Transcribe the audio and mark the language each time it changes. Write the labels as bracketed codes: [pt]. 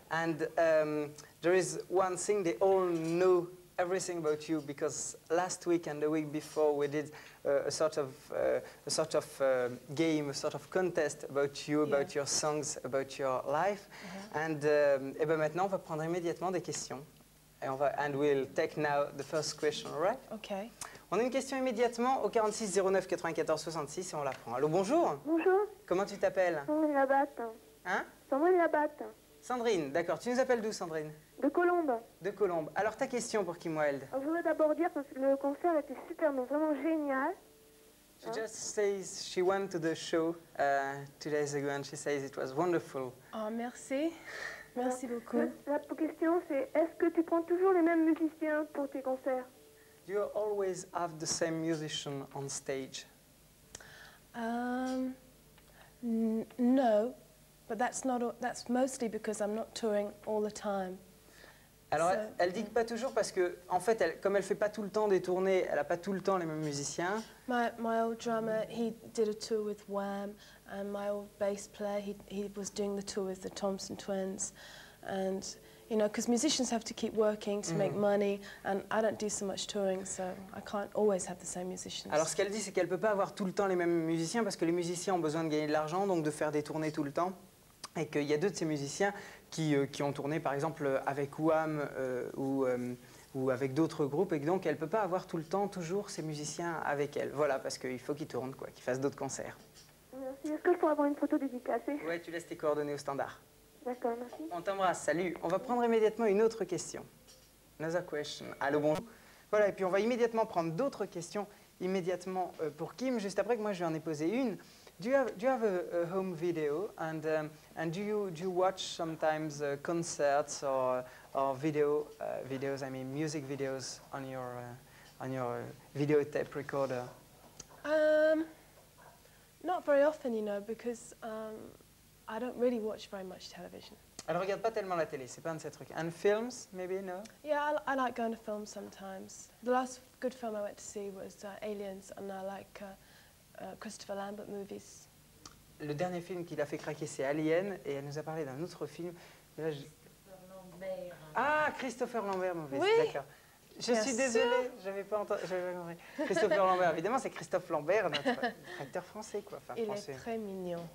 [en] And there is one thing, they all know everything about you because last week and the week before we did a sort of contest about you, about your songs, about your life. Mm-hmm. And [fr] et ben maintenant on va prendre immédiatement des questions. [en] And we'll take now the first question, all right? Okay. [fr] On a une question immédiatement au 46 09 94 66 et on la prend. Allô, bonjour. Bonjour. Comment tu t'appelles? Sandrine Labatte. Hein? Sandrine Labatte. Sandrine, d'accord. Tu nous appelles d'où, Sandrine? De Colombes. De Colombes. Alors, ta question pour Kim Wilde. Je voudrais d'abord dire que le concert était super, mais vraiment génial. [en] She just says she went to the show 2 days ago and she says it was wonderful. [fr] Oh, merci. Merci beaucoup. La question, c'est est-ce que tu prends toujours les mêmes musiciens pour tes concerts? [en] Do you always have the same musician on stage? No, but that's mostly because I'm not touring all the time. [fr] Alors, so, elle dit que pas toujours parce que, en fait, elle, comme elle fait pas tout le temps des tournées, elle a pas tout le temps les mêmes musiciens. [en] My old drummer, he did a tour with Wham, and my old bass player, he was doing the tour with the Thompson Twins, and. You know, because musicians have to keep working to make money, and I don't do so much touring, so I can't always have the same musicians. [fr] Alors, ce qu'elle dit, c'est qu'elle peut pas avoir tout le temps les mêmes musiciens parce que les musiciens ont besoin de gagner de l'argent, donc de faire des tournées tout le temps, et qu'il y a deux de ces musiciens qui ont tourné, par exemple, avec Wham ou avec d'autres groupes, et donc elle peut pas avoir tout le temps toujours ces musiciens avec elle. Voilà, parce qu'il faut qu'ils tournent, quoi, qu'ils fassent d'autres concerts. Merci. Est-ce que je pourrais avoir une photo dédicacée? Ouais, tu laisses tes coordonnées au standard. D'accord, merci. On t'embrasse, salut. On va prendre immédiatement une autre question. [en] Another question. [fr] Allô, bonjour. Voilà, et puis on va immédiatement prendre d'autres questions immédiatement pour Kim, juste après que moi je lui en ai posé une. [en] Do you have a home video and do you watch sometimes concerts or videos, I mean music videos on your videotape recorder? Not very often, you know, because I don't really watch very much television. [fr] Elle ne regarde pas tellement la télé, c'est pas un de ses trucs. [en] And films, maybe, no? Yeah, I like going to films sometimes. The last good film I went to see was Aliens, and I like Christopher Lambert movies. [fr] Le dernier film qui l'a fait craquer, c'est Alien, et elle nous a parlé d'un autre film. Là, Christopher Lambert. [en] Ah, Christopher Lambert movies, [fr] oui. D'accord. Je suis désolée, j'avais pas compris. Christopher Lambert, évidemment, c'est Christophe Lambert, notre acteur français, quoi. Enfin, il français. Est très mignon.